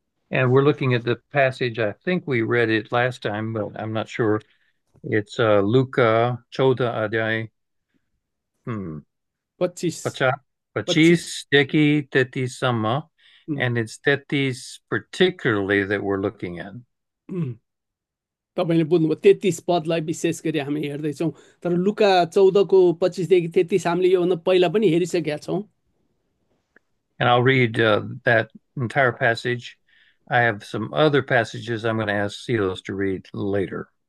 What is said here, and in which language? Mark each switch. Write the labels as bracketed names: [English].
[English] And we're looking at the passage. I think we read it last time, but I'm not sure. It's Luca 14 adhyay. 25 [Nepali] Pacha. [English] 25 [Nepali] Pachis deki tetisama, [English] and it's tetis particularly that we're looking at. [Nepali] तपाईँले बुझ्नुभयो, 33 पदलाई विशेष गरी हामी हेर्दैछौँ, तर लुका 14:25-33 हामीले योभन्दा पहिला पनि हेरिसकेका छौँ। [English] And I'll read that entire passage. I have some other passages I'm going to ask Silas to read later.